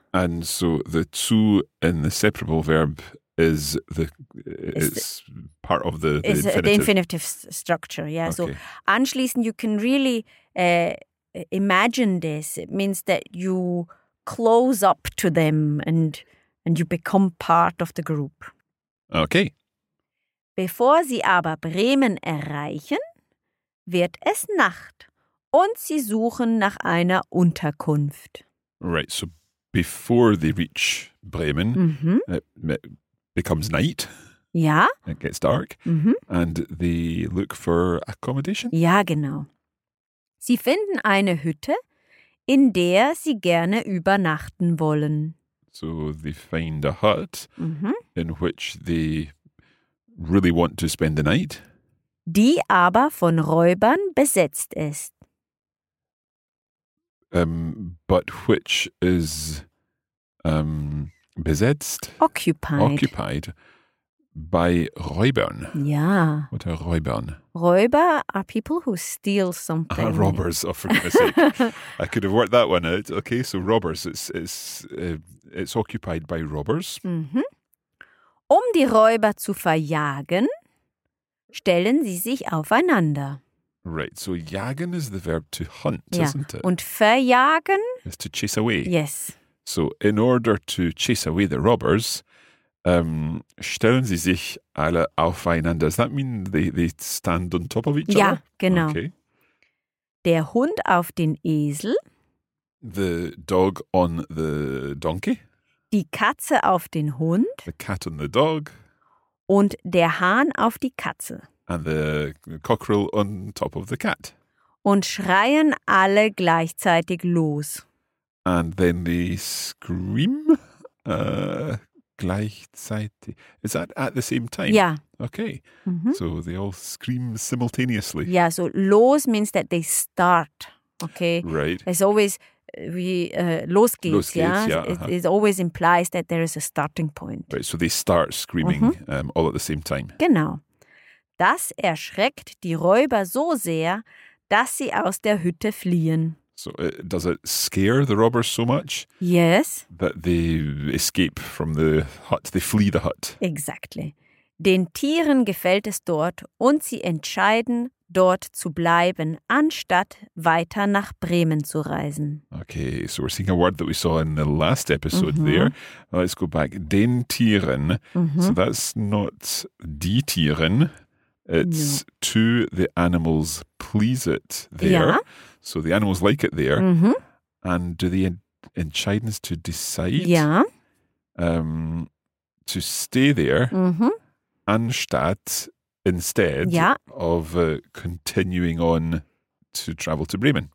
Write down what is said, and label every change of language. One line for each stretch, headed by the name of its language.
English: And so the zu in the separable verb is the it's part of the it's infinitive. The infinitive structure, yeah. Okay. So anschließen, you can really imagine this. It means that you close up to them and you become part of the group. Okay.
German: Bevor sie aber Bremen erreichen, wird es Nacht und sie suchen nach einer Unterkunft.
English: Right, so before they reach Bremen, it becomes night. Yeah. It gets dark. And they look for accommodation.
German: Ja, genau. Sie finden eine Hütte, in der sie gerne übernachten wollen.
English: So they find a hut in which they really want to spend the night.
German: Die aber von Räubern besetzt ist.
English: But which is besetzt? Occupied. By Räubern. Yeah. What are Räubern? Räuber are people who steal something. Robbers, oh, for goodness sake. I could have worked that one out. Okay, so robbers. It's occupied by robbers.
German: Um die Räuber zu verjagen, stellen sie sich aufeinander.
English: Right, so jagen is the verb to hunt, isn't it?
German: Und verjagen?
English: Is to chase away. Yes. So in order to chase away the robbers...
German: stellen sie sich alle aufeinander.
English: Does that mean they stand on top of each other?
German: Ja, genau.
English: Okay.
German: Der Hund auf den Esel.
English: The dog on the donkey.
German: Die Katze auf den Hund.
English: The cat on the dog.
German: Und der Hahn auf die Katze.
English: And the cockerel on top of the cat.
German: Und schreien alle gleichzeitig los.
English: And then they scream. Gleichzeitig. Is that at the same time? Yeah. Okay. So they all scream simultaneously. Yeah, so los means that they start. Okay. Right. It's always,
German: los geht's, yeah.
English: It always implies that there is a starting point. Right, so they start screaming all at the same time.
German: Genau. Das erschreckt die Räuber so sehr, dass sie aus der Hütte fliehen.
English: So does it scare the robbers so much? Yes. That they escape from the hut, they flee the hut. Exactly.
German: Den Tieren gefällt es dort und sie entscheiden, dort zu bleiben, anstatt weiter nach Bremen zu reisen.
English: Okay, so we're seeing a word that we saw in the last episode there. Let's go back. Den Tieren. So that's not die Tieren. It's to the animals please it there. Yeah. So the animals like it there. And do they entscheiden to decide to stay there anstatt of continuing on to travel to Bremen?